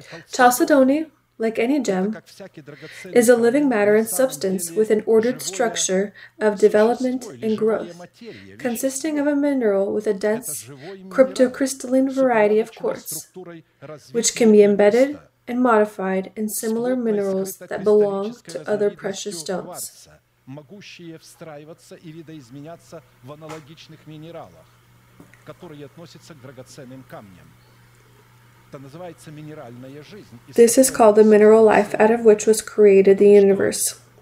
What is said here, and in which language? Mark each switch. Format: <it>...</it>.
<en>Chalcedony, like any gem, is a living matter and substance with an ordered structure of development and growth, consisting of a mineral with a dense cryptocrystalline variety of quartz, which can be embedded and modified in similar minerals that belong to other precious stones.</en> <ru>Могущие встраиваться и видоизменяться в аналогичных минералах, которые относятся к драгоценным камням. Называется минеральная жизнь.</ru> <en>This is called the mineral life out of which was created the universe.</en>